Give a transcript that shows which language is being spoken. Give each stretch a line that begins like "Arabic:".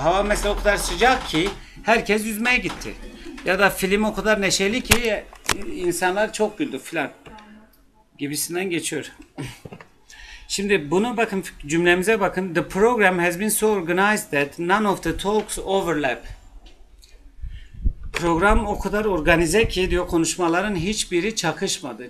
Turkish: Hava mesela o kadar sıcak ki herkes yüzmeye gitti. Ya da film o kadar neşeli ki insanlar çok güldü filan gibisinden geçiyor. Şimdi bunu bakın, cümlemize bakın.
English: The program has been so organized that none of the talks overlap.
Turkish: Program o kadar organize ki diyor, konuşmaların hiçbiri çakışmadı.